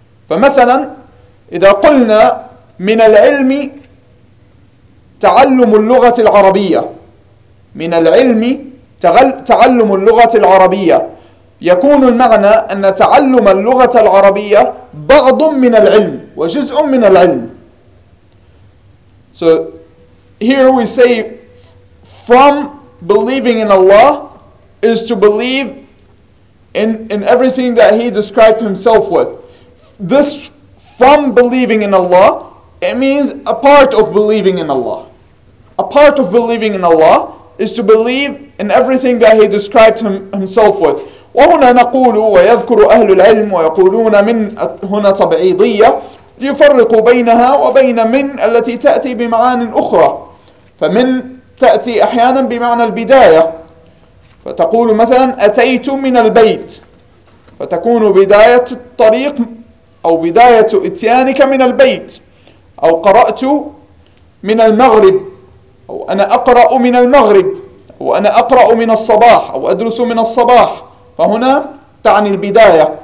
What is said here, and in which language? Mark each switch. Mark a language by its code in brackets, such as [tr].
[ar] فمثلا إذا قلنا من العلم تعلم اللغة العربية، من العلم تعلم اللغة العربية، يكون المعنى أن تعلم اللغة العربية بعض من العلم وجزء من العلم. [en] So here we say from believing in Allah is to believe in everything that he described himself with. This from believing in Allah, it means a part of believing in Allah. A part of believing in Allah is to believe in everything that he described himself with. [ar] وهنا نقول ويذكر أهل العلم ويقولون من هنا تبعيضية ليفرقوا بينها وبين من التي تأتي بمعان أخرى. فمن تأتي أحيانا بمعنى البداية، فتقول مثلا أتيت من البيت، فتكون بداية الطريق أو بداية إتيانك من البيت، أو قرأت من المغرب، أو أنا أقرأ من المغرب، أو أنا أقرأ من الصباح، أو أدرس من الصباح، فهنا تعني البداية.